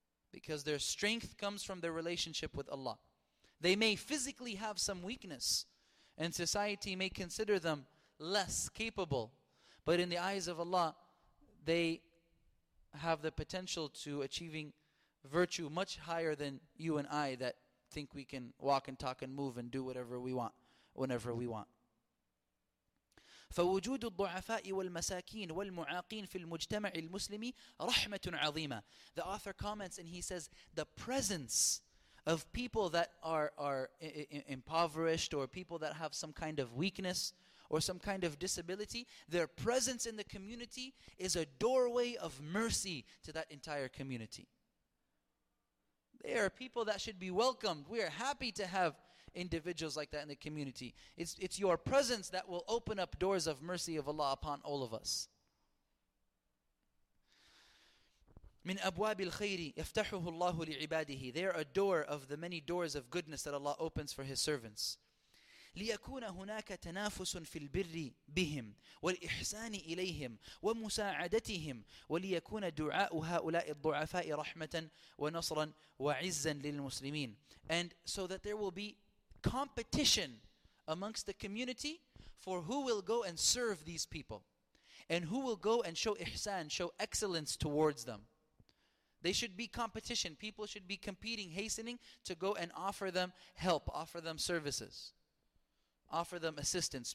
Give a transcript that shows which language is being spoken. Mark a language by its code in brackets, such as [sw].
[en] Because their strength comes from their relationship with Allah. They may physically have some weakness, and society may consider them less capable, but in the eyes of Allah, they have the potential to achieving virtue much higher than you and I that think we can walk and talk and move and do whatever we want, whenever we want. [ar] فوجود الضعفاء والمساكين والمعاقين في المجتمع المسلمي رحمة عظيمة. [en] The author comments and he says, the presence of people that are impoverished or people that have some kind of weakness or some kind of disability, their presence in the community is a doorway of mercy to that entire community. They are people that should be welcomed. We are happy to have individuals like that in the community. It's your presence that will open up doors of mercy of Allah upon all of us. [ar] من أبواب الخير يفتحه الله لعباده. [en] They are a door of the many doors of goodness that Allah opens for His servants. [ar] ليكون هناك تنافس في البر بهم والإحسان إليهم ومساعدتهم وليكون دعاء هؤلاء الضعفاء رحمة ونصرا وعزا للمسلمين. [en] And so that there will be competition amongst the community for who will go and serve these people and who will go and show ihsan, show excellence towards them. They should be competition. People should be competing, hastening to go and offer them help, offer them services, offer them assistance.